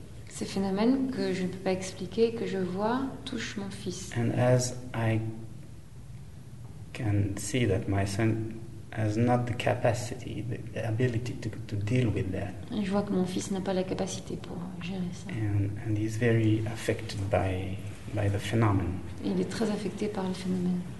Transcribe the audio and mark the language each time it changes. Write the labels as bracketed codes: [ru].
[fr] Ce phénomène que je ne peux pas expliquer, que je vois, touche mon fils. [en] And as I can see that my son has not the capacity, the ability to deal with that. [fr] Et je vois que mon fils n'a pas la capacité pour gérer ça. [en] And he's very affected by the phenomenon. [fr] Et il est très affecté par le phénomène.